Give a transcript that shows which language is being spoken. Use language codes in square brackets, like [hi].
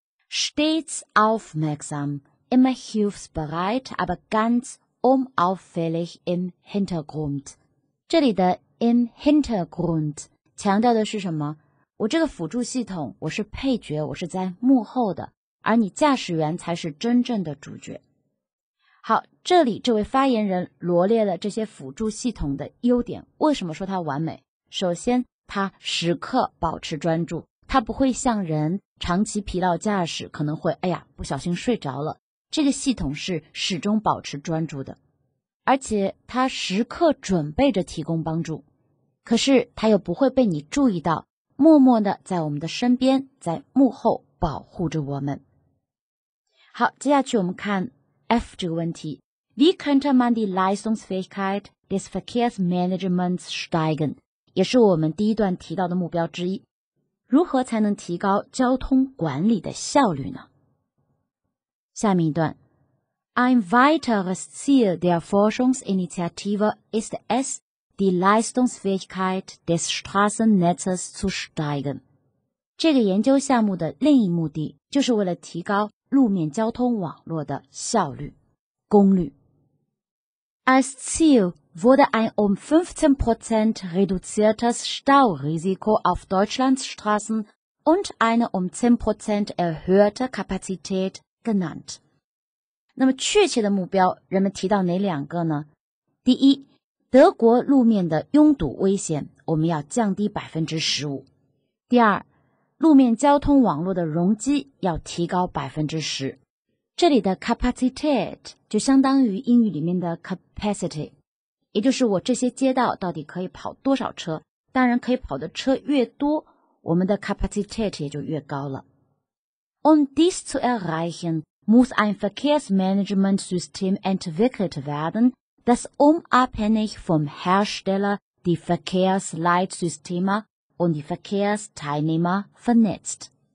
[de] Stets aufmerksam, immer hilfsbereit, aber ganz unauffällig im Hintergrund. [zh] 这里的 [de] im Hintergrund [zh] 强调的是什么？我这个辅助系统，我是配角，我是在幕后的，而你驾驶员才是真正的主角。好，这里这位发言人罗列了这些辅助系统的优点。为什么说它完美？首先，它时刻保持专注，它不会像人长期疲劳驾驶，可能会，哎呀，不小心睡着了。这个系统是始终保持专注的，而且它时刻准备着提供帮助，可是它又不会被你注意到，默默地在我们的身边，在幕后保护着我们。好，接下去我们看 F 这个问题。 [de] Wie könnte man die Leistungsfähigkeit des Verkehrsmanagements steigen? [zh] 也是我们第一段提到的目标之一。如何才能提高交通管理的效率呢？下面一段。 [de] Ein weiteres Ziel der Forschungsinitiative ist es,die Leistungsfähigkeit des Straßennetzes zu steigen. [zh] 这个研究项目的另一目的就是为了提高路面交通网络的效率，功率。 [de] Als Ziel wurde ein um 15% reduziertes Staurisiko auf Deutschlands Straßen und eine um 10% erhöhte Kapazität genannt. [zh] 那么确切的目标，人们提到哪两个呢？第一， 德国路面的拥堵危险，我们要降低 15%。第二， 路面交通网络的容积要提高 10%。这里的capacitet 就相当于英语里面的 capacity， 也就是我这些街道到底可以跑多少车。当然可以跑的车越多，我们的capacitet 也就越高了。 [de] Um dies zu erreichen, muss ein Verkehrsmanagementsystem entwickelt werden, das unabhängig vom Hersteller die Verkehrsleitsysteme und die Verkehrsteilnehmer vernetzt.